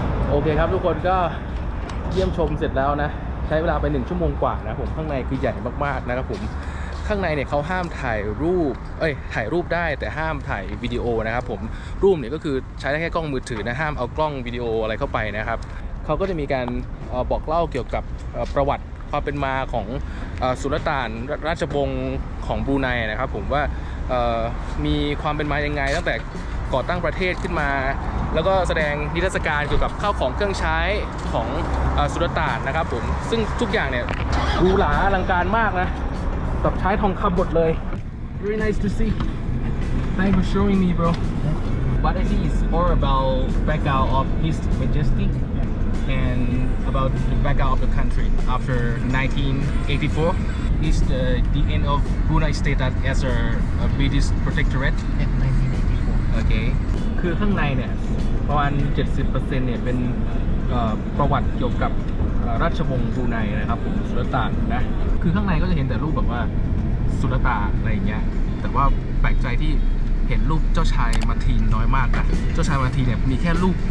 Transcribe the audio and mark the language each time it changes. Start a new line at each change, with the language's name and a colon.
Thai: โอเคครับทุกคนก็เยี่ยมชมเสร็จแล้วนะใช้เวลาไป1ชั่วโมงกว่านะผมข้างในคือใหญ่มากๆนะครับผมข้างในเนี่ยเขาห้ามถ่ายรูปเอ้ยถ่ายรูปได้แต่ห้ามถ่ายวิดีโอนะครับผมรูปเนี่ยก็คือใช้ได้แค่กล้องมือถือนะห้ามเอากล้องวิดีโออะไรเข้าไปนะครับเขาก็จะมีการบอกเล่าเกี่ยวกับประวัติความเป็นมาของสุลต่านราชวงศ์ของบรูไนนะครับผมว่า มีความเป็นมายังไงตั้งแต่ก่อตั้งประเทศขึ้นมาแล้วก็แสดงนิทรรศการเกี่ยวกับข้าวของเครื่องใช้ของสุลต่านนะครับผมซึ่งทุกอย่างเนี่ย หรูหราอลังการมากนะแบบใช้ทองคำหมดเลย
English: Very nice to see Thanks for showing me bro What I see is more about background of His Majesty and about the background of the country after 1984 is the end of Brunei status as a British protectorateOkay.
Thai: คือข้างในเนี่ยประมาณ 70% เนี่ยเป็นประวัติเกี่ยวกับราชวงศ์บรูไนนะครับผมสุลต่านนะคือข้างในก็จะเห็นแต่รูปแบบว่า สุลต่านอะไรอย่างเงี้ยแต่ว่าแปลกใจที่เห็นรูปเจ้าชายมาทีนน้อยมากนะเจ้าชายมาทีนเนี่ยมีแค่ร